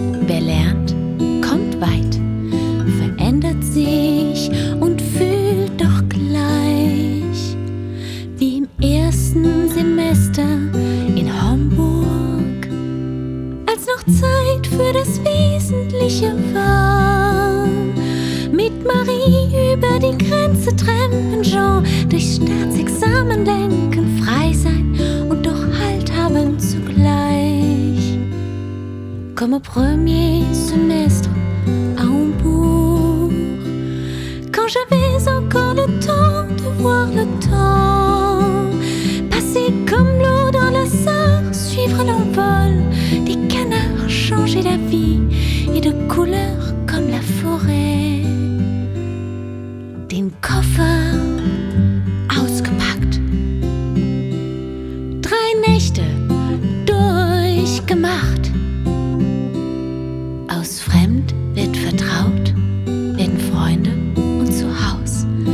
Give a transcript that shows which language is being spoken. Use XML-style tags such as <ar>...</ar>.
<de>Wer lernt, kommt weit. Verändert sich und fühlt doch gleich wie im ersten Semester in Homburg, als noch Zeit für das Wesentliche war. Mit Marie über die Grenze trampen, Jean durch Staatsexamen lenken, frei sein und doch Halt haben zugleich.</de> <fr>Comme au premier semestre à Hambourg, quand j'avais encore le temps de voir le temps passer comme l'eau dans la Sarre, suivre l'envol des canards, changer d'avis et de couleur comme la forêt.</fr> <de>Den Koffer ausgepackt, drei Nächte durchgemacht. Aus Fremd wird vertraut, werden Freunde und zu Haus.</de>